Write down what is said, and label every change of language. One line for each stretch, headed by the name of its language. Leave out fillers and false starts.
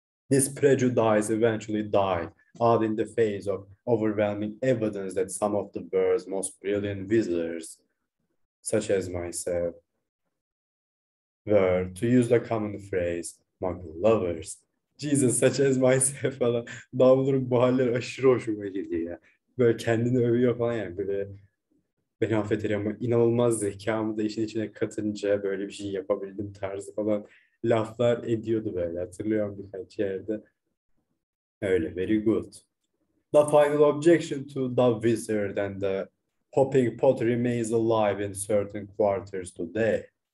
English: This prejudice eventually died out in the face of overwhelming evidence that some of the world's most brilliant wizards, such as myself, were, to use the common phrase, muggle lovers. Jesus, such as myself falan.
Turkish: Daha bu durum bu haller aşırı hoşuma gidiyor ya. Böyle kendini övüyor falan yani. Böyle beni affeder ama inanılmaz zekamı da işin içine katınca böyle bir şey yapabildim tarzı falan laflar ediyordu böyle. Hatırlıyorum birkaç yerde. Öyle,
English: very good. The final objection to the wizard and the hopping pot remains alive in certain quarters today.